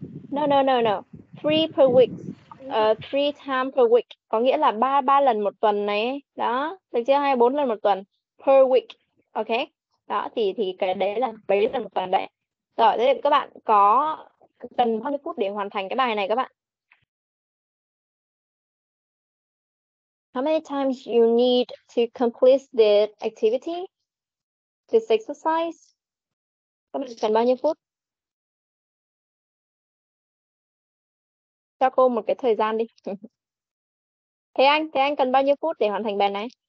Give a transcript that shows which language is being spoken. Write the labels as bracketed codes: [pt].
[en] No. 3 per week. 3 times per week. [vi] Có nghĩa là 3 lần một tuần này. Đó, được chưa? Hay 4 lần một tuần. [en] Per week. [vi] Ok? Đó, thì cái đấy là mấy lần một tuần đấy. Rồi, thế thì các bạn có... cần bao nhiêu phút để hoàn thành cái bài này các bạn? [en] How many times you need to complete the activity? This exercise? [vi] Các bạn cần bao nhiêu phút? Cho cô một cái thời gian đi. Thế anh cần bao nhiêu phút để hoàn thành bài này?